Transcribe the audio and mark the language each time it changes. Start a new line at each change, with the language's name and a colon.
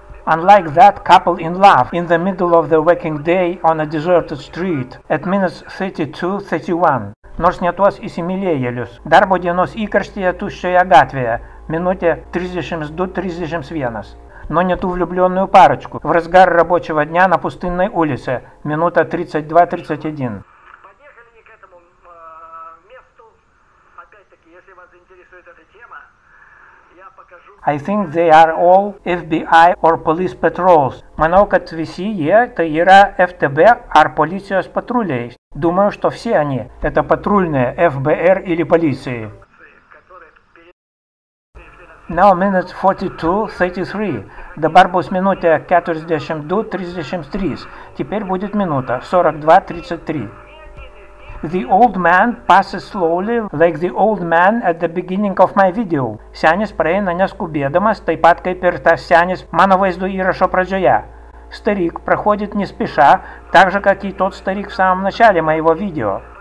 English: Unlike that couple in love, in the middle of the working day on a deserted street, at minutes 32:31.
Lithuanian: Nors ne tuos įsimylėjėlius. Darbo dienos įkarštyje tuščioje gatvėje, minutė 32:31.
Russian: Но не ту влюбленную парочку, в разгар рабочего дня на пустынной улице, минута 32:31. Поехали не к этому месту, опять-таки, если вас интересует эта тема, я покажу.
English: I think they are all FBI or police patrols.
Lithuanian: Manau, kad visi jie tai yra FTB ar policijos patruliai.
Russian: Думаю, что все они это патрульные ФБР или полиции.
English: Now minutes 42:33.
Lithuanian: Dabar bus minutė 42:33.
Russian: Теперь будет минута 42:33.
English: The old man passes slowly, like the old man at the beginning of my video.
Lithuanian: Senis praeina neskubėdamas, taip pat kaip ir tas senis mano vaizdo įrašo pradžioje.
Russian: Старик проходит не спеша, так же, как и тот старик в самом начале моего видео.